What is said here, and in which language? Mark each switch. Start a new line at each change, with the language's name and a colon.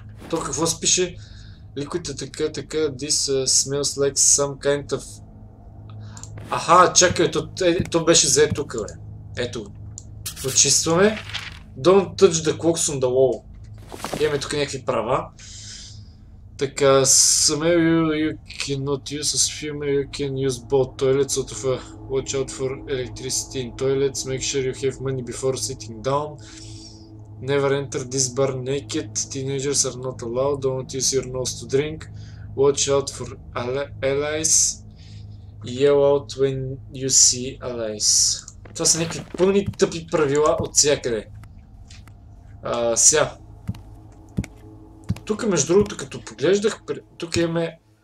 Bulgarian: То какво се пише?
English: Liquid
Bulgarian: така,
English: this smells like some kind of...
Bulgarian: Аха, чакай, то беше за ето тук, бе. Ето го. Почистваме.
English: Don't touch the clocks on the wall.
Bulgarian: Имаме тук някакви права.
English: Така, smell you cannot use as female, you can use both toilets out of a watch out for electricity in toilets, make sure you have money before sitting down. Never enter this bar naked, teenagers are not allowed, don't use your nose to drink, watch out for allies, yell out when you see allies.
Bulgarian: Това са някакви пълни тъпи правила от всякъде. Сега. Тук между другото, като поглеждах, тук имаме...